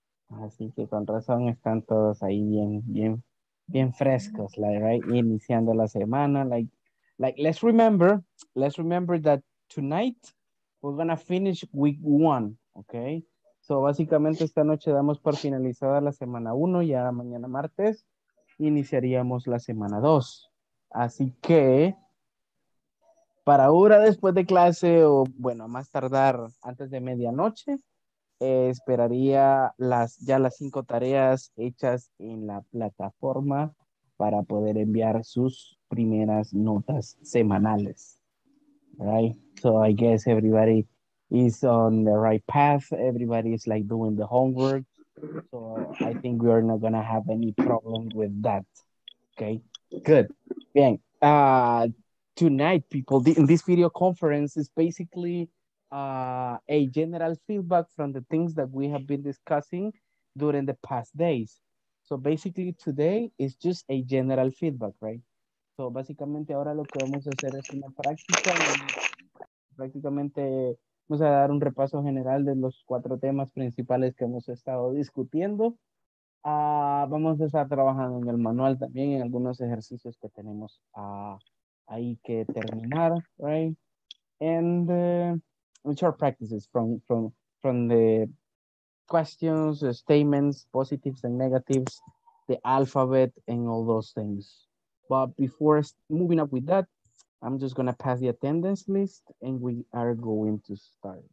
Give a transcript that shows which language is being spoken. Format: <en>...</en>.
<es>Así que con razón están todos ahí bien frescos,</es> <en>like, right?</en> <es>Iniciando la semana.</es> <en>Like, let's remember that tonight we're gonna finish week one, okay? So,</en> <es>básicamente esta noche damos por finalizada la semana uno, ya mañana martes iniciaríamos la semana dos. Así que, para ahora después de clase o, bueno, más tardar antes de medianoche, esperaría las 5 tareas hechas en la plataforma para poder enviar sus primeras notas semanales.</es> <en>Right? So I guess everybody is on the right path. Everybody is like doing the homework. So I think we are not going to have any problem with that. Okay? Good.</en> <es>Bien.</es> <en>Tonight, people, in this video conference is basically a general feedback from the things that we have been discussing during the past days. So basically today is just a general feedback, right? So</en> <es>básicamente ahora lo que vamos a hacer es una práctica. Prácticamente vamos a dar un repaso general de los 4 temas principales que hemos estado discutiendo. Vamos a estar trabajando en el manual también, en algunos ejercicios que tenemos ahí que terminar, right?</es> <en>And which are practices from the questions, the statements, positives and negatives, the alphabet and all those things. But before moving up with that, I'm just gonna pass the attendance list and we are going to start.</en>